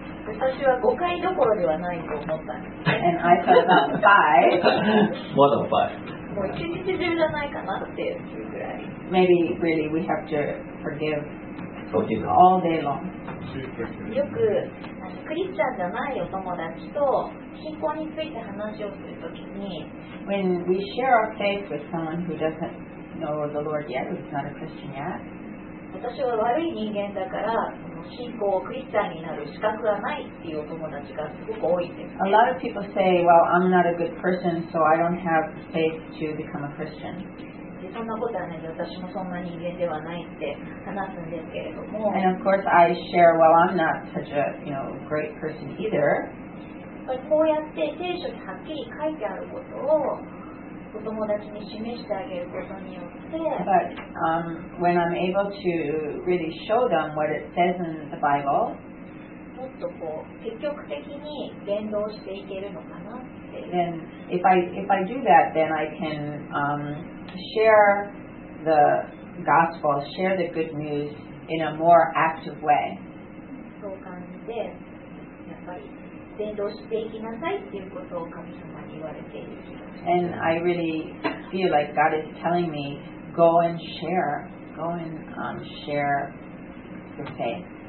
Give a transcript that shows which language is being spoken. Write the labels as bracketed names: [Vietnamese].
[Japanese] 私は5回どころではないと思ったんです。 [English] And I thought about five. More than five. [Japanese] もう一日中じゃないかなっていうぐらい。 [English] Maybe really we have to forgive all day long. [Japanese] よくクリスチャンじゃないお友達と信仰について話をするときに、 [English] When we share our faith with someone who doesn't know the Lord yet, who's not a Christian yet. [Japanese] 私は悪い人間だから、信仰をクリスチャンになる資格はないっていうお友達がすごく多いです、ね。 [English] A lot of people say, well, I'm not a good person, so I don't have faith to become a Christian. [Japanese] で、そんなことはね、私もそんな人間ではないって話すんですけれども。 [English] And of course, I share, well, I'm not such a, you know, great person either. [Japanese] こうやって聖書にはっきり書いてあることを、 [English] But when I'm able to really show them what it says in the Bible, then if I do that, then I can share the gospel, share the good news in a more active way. [Japanese] そう感じて、やっぱり伝道していきなさいっていうことを神様に言われている。 [English] And I really feel like God is telling me, go and share, go and share your faith.